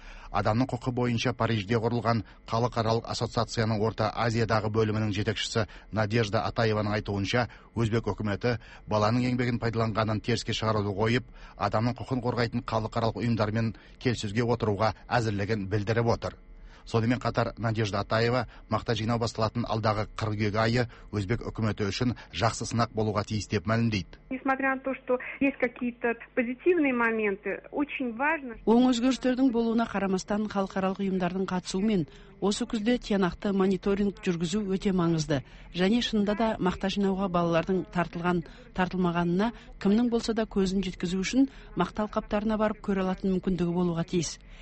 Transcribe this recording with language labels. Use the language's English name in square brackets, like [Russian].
[Kazakh] Адамның құқы бойынша Парижде құрылған халықаралық ассоциацияның Орта Азиядағы бөлімінің жетекшісі Надежда Атаеваның айтуынша, өзбек үкіметі баланың еңбегін пайдаланғанын теріске шығаруды қойып, адамның құқын қорғайтын халықаралық ұйымдармен келісімге отыруға әзірлігін білдіріп отыр. Сонымен қатар Надежда Атаева мақта жинау басталатын алдағы 40 айы өзбек үкіметі үшін жақсы сынақ болуға тиіс деп мәлімдейді. [Russian] Несмотря на то, что есть какие-то позитивные моменты, очень важно. [Kazakh] Оң өзгерістердің болуына қарамастан халықаралық ұйымдардың қатысуымен осы күзде тиянақты мониторинг жүргізу өте маңызды. Және шынында да мақта жинауға балалардың тартылмағанына кімнің болса да көзін жеткізу үшін мақта алқаптарына барып көре алатын мүмкіндігі болуға тиіс.